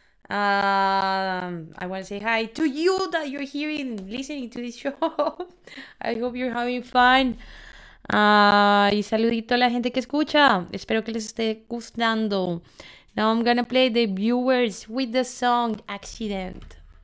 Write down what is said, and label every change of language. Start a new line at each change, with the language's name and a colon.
English: I want to say hi to you that you're here and listening to this show. I hope you're having fun.
Spanish: Y saludito a la gente que escucha, espero que les esté gustando.
English: Now I'm gonna play the viewers with the song Accident.